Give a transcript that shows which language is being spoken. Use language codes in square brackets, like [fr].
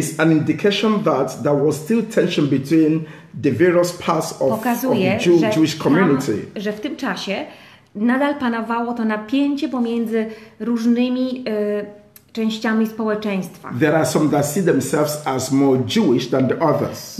[en] is an indication that there was still tension between the various parts of the Jewish community. [pl] Pokazuje, że w tym czasie nadal panowało to napięcie pomiędzy różnymi częściami społeczeństwa. [en] There are some that see themselves as more Jewish than the others.